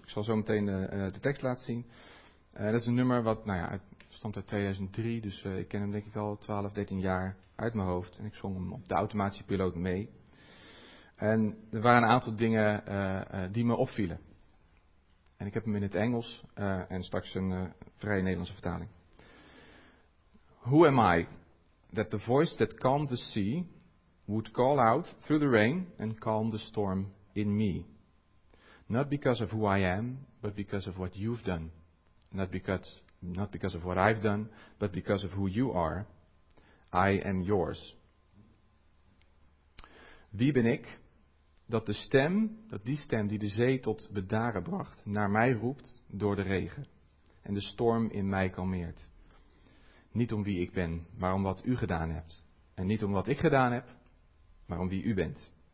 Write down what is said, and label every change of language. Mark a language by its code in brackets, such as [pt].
[nl] Ik zal zo meteen de tekst laten zien. Dat is een nummer wat, nou ja, het stamt uit 2003, dus ik ken hem denk ik al 12, 13 jaar uit mijn hoofd. En ik zong hem op de automatische piloot mee. En er waren een aantal dingen die me opvielen. En ik heb hem in het Engels en straks een vrije Nederlandse vertaling. [en] Who am I that the voice that calmed the sea would call out through the rain and calm the storm in me? Not because of who I am, but because of what you've done. Not because of what I've done, but because of who you are. I am yours. [nl] Wie ben ik dat de stem, dat die stem die de zee tot bedaren bracht, naar mij roept door de regen en de storm in mij kalmeert? Niet om wie ik ben, maar om wat u gedaan hebt. En niet om wat ik gedaan heb, maar om wie u bent.